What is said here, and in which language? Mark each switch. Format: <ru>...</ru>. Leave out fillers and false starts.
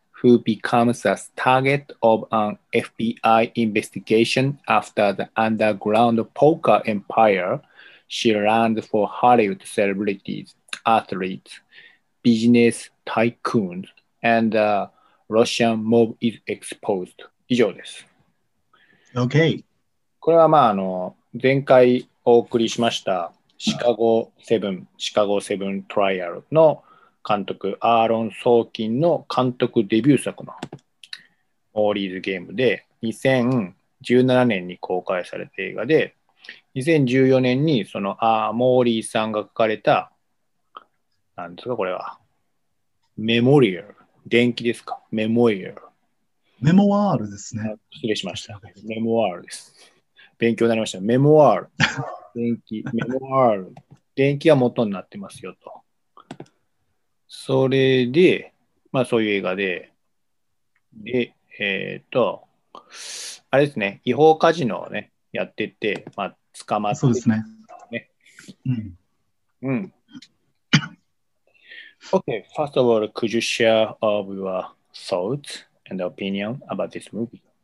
<en>Who becomes the target of an FBI investigation after the underground poker empire she runs for Hollywood celebrities, athletes, business tycoons, and the Russian mob is exposed.</en> <ja>以上です。</ja> <en>Okay.</en> <ja>これはまあ、前回お送りしましたシカゴ7トライアルの監督アーロン・ソーキンの監督デビュー作のモーリーズゲームで2017年に公開された映画で2014年にそのモーリーさんが書かれた何ですかこれはメモリアル伝記ですかメモリアルメモワールですね失礼しましたメモワールです勉強になりましたメモワール伝記メモワール伝記は元になってますよとそれで、まあそういう映画で、で、あれですね、違法カジノをね、やってて、まあ捕まって、そうですね。ね。うん。うん。</ja> <en>Okay, first of all, could you share of your thoughts and opinion about this movie?</en>